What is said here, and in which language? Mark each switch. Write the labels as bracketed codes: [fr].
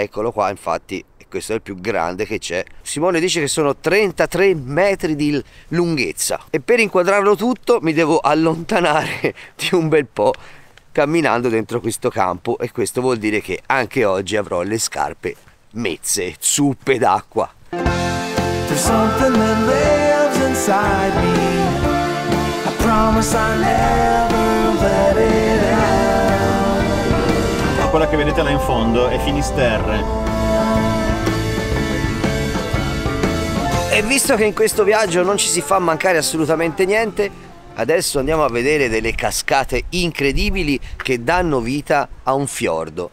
[it] Eccolo qua, infatti, questo è il più grande che c'è. Simone dice che sono 33 metri di lunghezza. E per inquadrarlo tutto mi devo allontanare di un bel po'. camminando dentro questo campo, e questo vuol dire che anche oggi avrò le scarpe mezze, zuppe d'acqua. [en] There's something that lives inside me. I promise I never let it out. [it] Quella che vedete là in fondo è Finisterre. E visto che in questo viaggio non ci si fa mancare assolutamente niente, adesso andiamo a vedere delle cascate incredibili che danno vita a un fiordo.